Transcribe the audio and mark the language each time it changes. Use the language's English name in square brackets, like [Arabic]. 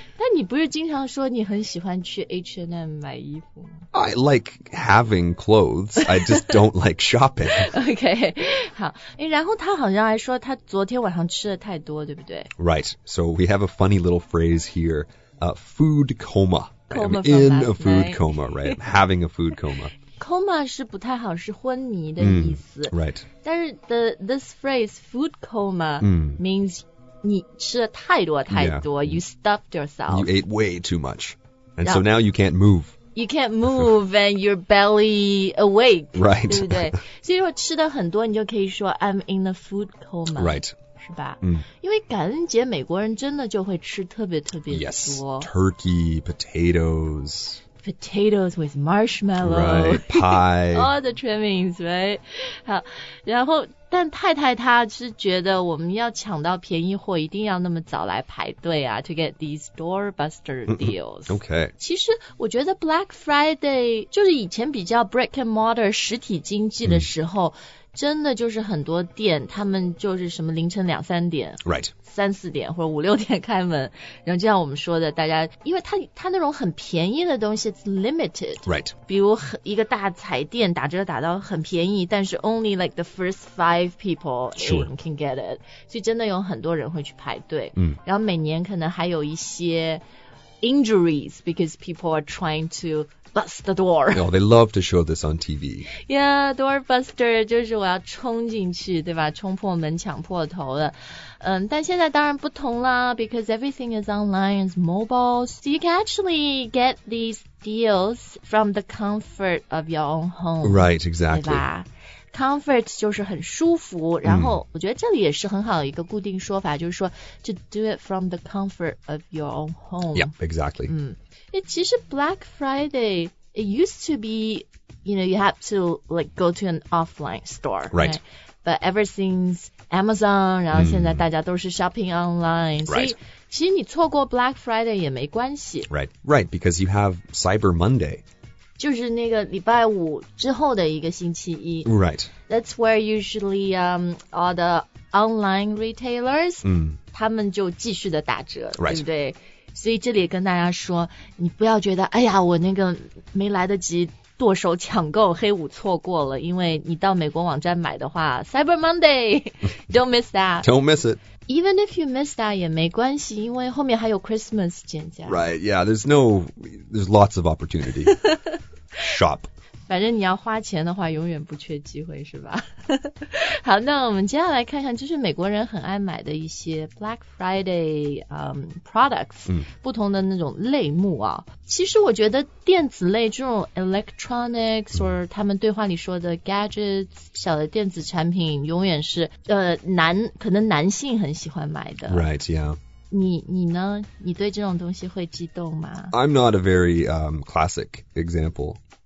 [Chinese] 但你不是经常说你很喜欢去 H&M 买衣服吗？ [English] I like having clothes. I just don't like shopping. Okay. [Chinese] 好，诶，然后他好像还说他昨天晚上吃的太多，对不对？ [English] Right. So we have a funny little phrase here. Food coma. Coma. I'm in a food coma, right? I'm having a food coma. [Chinese] Coma 是不太好，是昏迷的意思。 [English] Right. [Chinese] 但是 [English] this phrase, food coma, means [Chinese] 你吃的太多太多。 [English] Yeah. You stuffed yourself. You ate way too much. And so now you can't move. You can't move and your belly awake, right? [Chinese] 对不对？所以说吃的很多，你就可以说 [English] I'm in a food coma, right? [Chinese] 是吧？嗯，因为感恩节美国人真的就会吃特别特别多 [English] yes, turkey, potatoes, potatoes with marshmallow, right, pie, all the trimmings, right? [Chinese] 好，然后但太太她是觉得我们要抢到便宜货一定要那么早来排队啊 [English] to get these doorbuster deals. OK. [Chinese] 其实我觉得 Black Friday 就是以前比较 [English] brick and mortar [Chinese] 实体经济的时候、真的就是很多店他们就是什么凌晨两三点 [English] right [Chinese] 三四点或者五六点开门，然后就像我们说的，大家因为他那种很便宜的东西 [English] it's limited right [Chinese] 比如一个大彩电打折打到很便宜，但是 [English] only like the first five people sure can get it, [Chinese] 所以真的有很多人会去排队。嗯，然后每年可能还有一些 [English] injuries because people are trying to bust the door. No, they love to show this on TV. [Chinese] Yeah, doorbuster 就是我要冲进去，对吧？冲破门，抢破头的。嗯，但现在当然不同啦 [English] ，because everything is online, it's mobile, so you can actually get these deals from the comfort of your own home. Right, exactly. [Chinese] 对吧 ？Comfort 就是很舒服。然后我觉得这里也是很好的一个固定说法，就是说 [English] to do it from the comfort of your own home. Yeah, exactly. [Chinese] 嗯。 [English] It, [Chinese] 其实 [English] Black Friday, it used to be, you know, you have to like go to an offline store. Right. right? But ever since [Chinese] Amazon, 然后现在大家都是 [English] shopping online. [Chinese] 所以其实你错过 Black Friday 也没关系。 [English] Right, right, because you have Cyber Monday. [Chinese] 就是那个礼拜五之后的一个星期一。 [English] Right. That's where usually all the online retailers, [Chinese] 他们就继续的打折、 [English] right. [Chinese] 对不对？所以这里跟大家说，你不要觉得哎呀我那个没来得及剁手抢购黑五错过了，因为你到美国网站买的话 Cyber Monday [English] Don't miss that Don't miss it Even if you miss that, [Chinese] 也没关系，因为后面还有 Christmas 减价。 [English] Right, yeah, there's lots of opportunity. Shop. [Chinese] 反正你要花钱的话，永远不缺机会，是吧？好，那我们接下来看看，就是美国人很爱买的一些 [English] Black Friday products,、 [Chinese] 不同的那种类目啊。其实我觉得电子类这种 electronics or 他们对话里说的 gadgets 小的电子产品永远是可能男性很喜欢买的 [English] Right, yeah [Chinese] 你呢你对这种东西会激动吗 [English] I'm not a very classic example